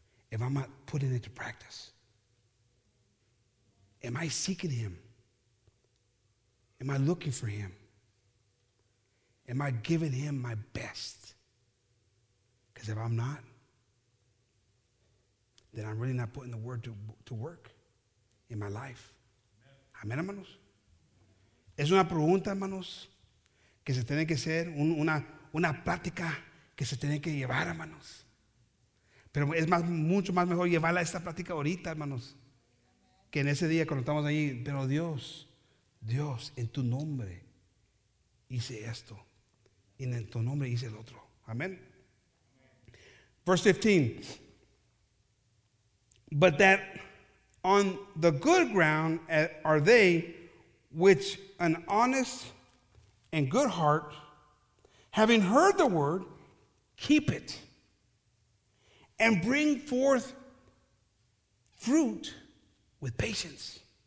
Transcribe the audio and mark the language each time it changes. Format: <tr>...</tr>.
<en>If I'm not putting it to practice, am I seeking him? Am I looking for him? Am I giving him my best? If I'm not, then I'm really not putting the word to work in my life.</en> <es>Amén, hermanos. Es una pregunta, hermanos, que se tiene que hacer, una plática que se tiene que llevar, hermanos. Pero es más, mucho más mejor llevarla a esta plática ahorita, hermanos, que en ese día cuando estamos ahí. Pero Dios, en tu nombre hice esto, y en tu nombre hice el otro. Amén.</es> <en>Verse 15, but that on the good ground are they which an honest and good heart, having heard the word, keep it and bring forth fruit with patience.</en>